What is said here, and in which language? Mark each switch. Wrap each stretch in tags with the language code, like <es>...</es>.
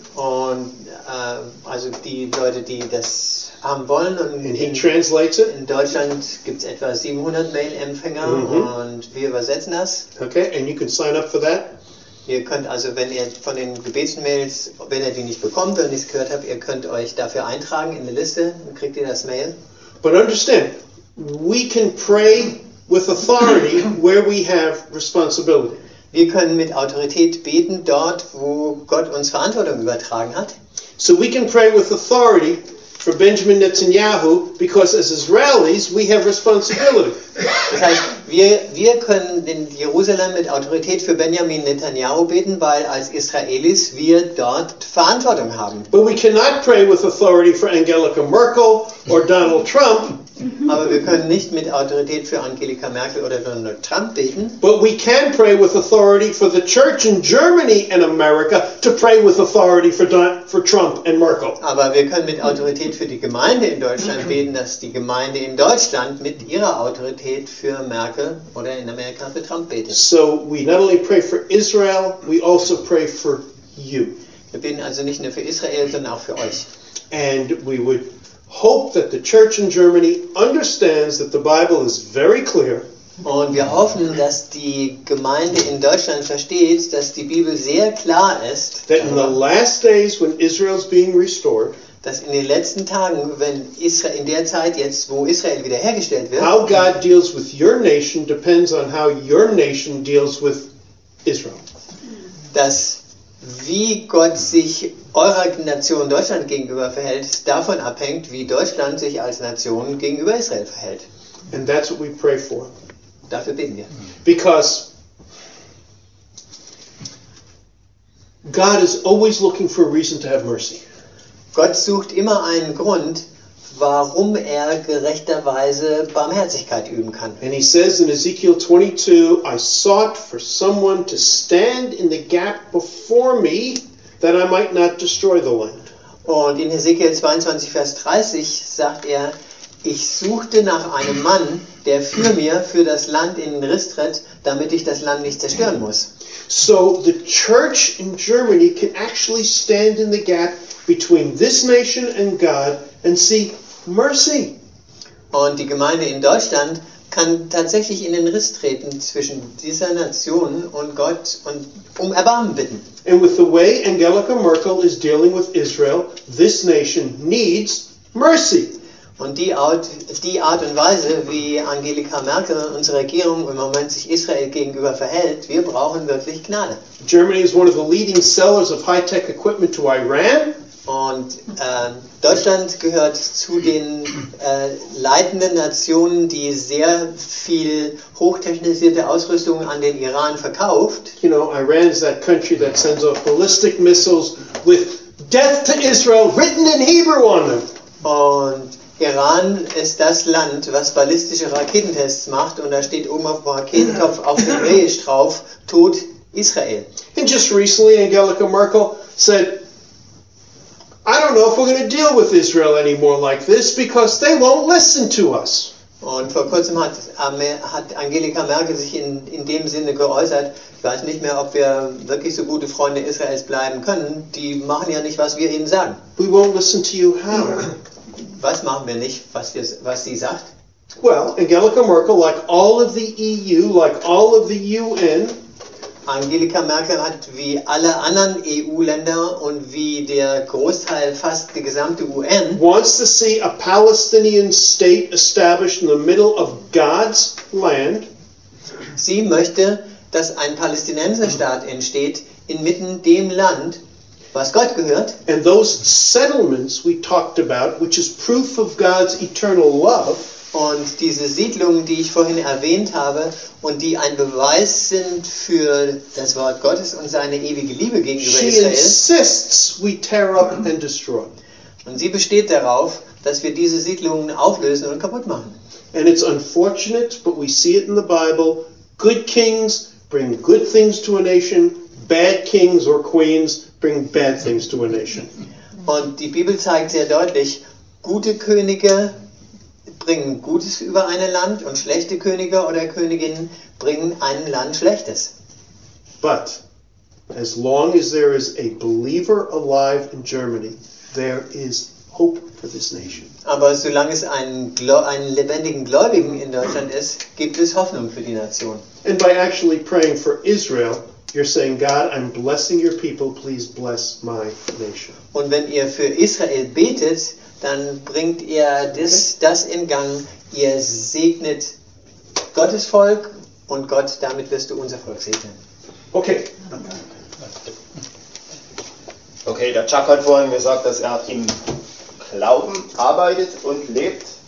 <de>Und also die Leute, die das haben wollen. Und</de> <en>and he translates it.</en> <de>In Deutschland gibt es etwa 700 Mail-Empfänger, mm-hmm. und wir übersetzen das.</de> <en>Okay, and you can sign up for that.</en> <de>Ihr könnt also, wenn ihr von den Gebetsmails, wenn ihr die nicht bekommt, wenn ihr es gehört habt, ihr könnt euch dafür eintragen in eine Liste, dann kriegt ihr das Mail.</de> <en>But understand, we can pray with authority where we have responsibility.</en> <de>Wir können mit Autorität beten dort, wo Gott uns Verantwortung übertragen hat.</de> <en>So we can pray with authority for Benjamin Netanyahu, because as Israelis we have responsibility.</en> <de>Das heißt, wir können in Jerusalem mit Autorität für Benjamin Netanyahu beten, weil als Israelis wir dort Verantwortung haben.</de> <en>But we cannot pray with authority for Angelica Merkel or Donald Trump.</en> <de>Aber wir können nicht mit Autorität für Angelika Merkel oder Donald Trump beten.</de> <en>But we can pray with authority for the church in Germany and America to pray with authority for Trump and Merkel.</en> <de>Aber wir können mit Autorität für die Gemeinde in Deutschland beten, dass die Gemeinde in Deutschland mit ihrer Autorität für Merkel oder in Amerika für Trump betet.</de> <en>So we not only pray for Israel, we also pray for you.</en> <de>Wir beten also nicht nur für Israel, sondern auch für euch.</de> <en>And we would hope that the church in Germany understands that the Bible is very clear.</en> <de>Und wir hoffen, dass die Gemeinde in Deutschland versteht, dass die Bibel sehr klar ist.</de> <en>That in the last days when Israel is being restored,</en> <de>dass in den letzten Tagen, wenn Israel, in der Zeit jetzt, wo Israel wiederhergestellt wird,</de> <en>how God deals with your nation depends on how your nation deals with Israel.</en> <de>Dass wie Gott sich eurer Nation Deutschland gegenüber verhält, davon abhängt, wie Deutschland sich als Nation gegenüber Israel verhält.</de> <en>And that's what we pray for.</en> <de>Dafür beten wir.</de> <en>Because God is always looking for a reason to have mercy.</en> <de>Gott sucht immer einen Grund, warum er gerechterweise Barmherzigkeit üben kann.</de> <en>And he says in Ezekiel 22, I sought for someone to stand in the gap before me, that I might not destroy the land.</en> <de>Und in Ezekiel 22, Vers 30 sagt er, ich suchte nach einem Mann, der für mir, für das Land in den Riss tritt, damit ich das Land nicht zerstören muss.</de> <en>So the church in Germany can actually stand in the gap between this nation and God and see mercy.</en> <de>Und die Gemeinde in Deutschland kann tatsächlich in den Riss treten zwischen dieser Nation und Gott und um Erbarmen bitten.</de> <en>And with the way Angelica Merkel is dealing with Israel, this nation needs mercy.</en> <de>Und die Art und Weise, wie Angelika Merkel und unsere Regierung im Moment sich Israel gegenüber verhält, wir brauchen wirklich Gnade.</de> <en>Germany is one of the leading sellers of high-tech equipment to Iran.</en> <de>Und Deutschland gehört zu den leitenden Nationen, die sehr viel hochtechnisierte Ausrüstung an den Iran verkauft.</de> <en>You know, Iran is that country that sends off ballistic missiles with death to Israel written in Hebrew on them.</en> <de>Und Iran ist das Land, was ballistische Raketentests macht und da steht oben auf dem Raketenkopf auf Hebräisch drauf, Tod Israel.</de> <en>And just recently Angelika Merkel said, I don't know if we're going to deal with Israel anymore like this because they won't listen to us.</en> <de>Und vor kurzem hat Angelika Merkel sich in dem Sinne geäußert, ich weiß nicht mehr, ob wir wirklich so gute Freunde Israels bleiben können. Die machen ja nicht, was wir ihnen sagen.</de> <en>We won't listen to you how?</en> <de>Was machen wir nicht, was sie sagt?</de> <en>Well, Angelika Merkel, like all of the EU, like all of the UN,</en> <de>Angelika Merkel hat wie alle anderen EU-Länder und wie der Großteil fast die gesamte UN</de> <en>wants to see a Palestinian state established in the middle of God's land.</en> <de>Sie möchte, dass ein Palästinenserstaat entsteht inmitten dem Land, was Gott gehört.</de> <en>And those settlements we talked about, which is proof of God's eternal love.</en> <de>Und diese Siedlungen, die ich vorhin erwähnt habe und die ein Beweis sind für das Wort Gottes und seine ewige Liebe gegenüber</de> <en>She</en> <de>Israel.</de> <en>Insists we tear up and destroy.</en> <de>Und sie besteht darauf, dass wir diese Siedlungen auflösen und kaputt machen.</de> <en>And it's unfortunate, but we see it in the Bible. Good kings bring good things to a nation. Bad kings or queens bring bad things to a nation.</en> <de>Und die Bibel zeigt sehr deutlich, gute Könige bringen Gutes über ein Land und schlechte Könige oder Königinnen bringen einem Land Schlechtes.</de> <en>But as long as there is a believer alive in Germany, there is hope for this nation.</en> <de>Aber solange es einen lebendigen Gläubigen in Deutschland ist, gibt es Hoffnung für die Nation.</de> <en>And by actually praying for Israel, You're saying, God, I'm blessing your people, please bless my nation.</en> <de>Und wenn ihr für Israel betet, dann bringt ihr das, das in Gang, ihr segnet Gottes Volk und Gott, damit wirst du unser Volk segnen. Okay. Okay, der Chuck hat vorhin gesagt, dass er im Glauben arbeitet und lebt.</de>